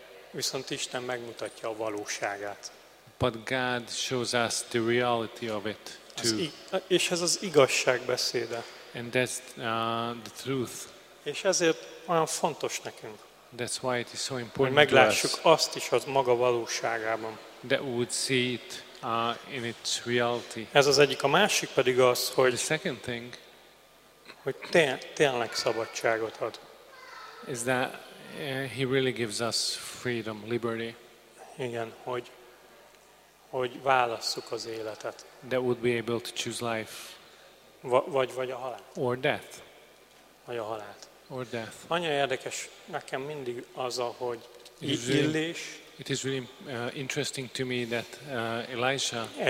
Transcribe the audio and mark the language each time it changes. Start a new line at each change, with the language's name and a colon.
Hungarian: Viszont Isten megmutatja a valóságát.
English: But God shows us the reality of it too.
Hungarian: És ez az igazság beszéde.
English: And that's the truth.
Hungarian: És ezért olyan fontos nekünk.
English: That's why it is so important.
Hungarian: Hogy meglássuk azt is az maga valóságában.
English: That we would see it in its reality.
Hungarian: Ez az egyik, a másik pedig az, hogy
English: the second thing,
Hungarian: hogy tényleg szabadságot ad.
English: Is that he really gives us freedom, liberty.
Hungarian: Igen, hogy válasszuk az életet.
English: That would be able to choose life.
Hungarian: Vagy a halált.
English: Or death.
Hungarian: Vagy a halált.
English: Or death.
Hungarian: Annyira érdekes nekem mindig az, ahogy illés.
English: It is really interesting to me that Elisha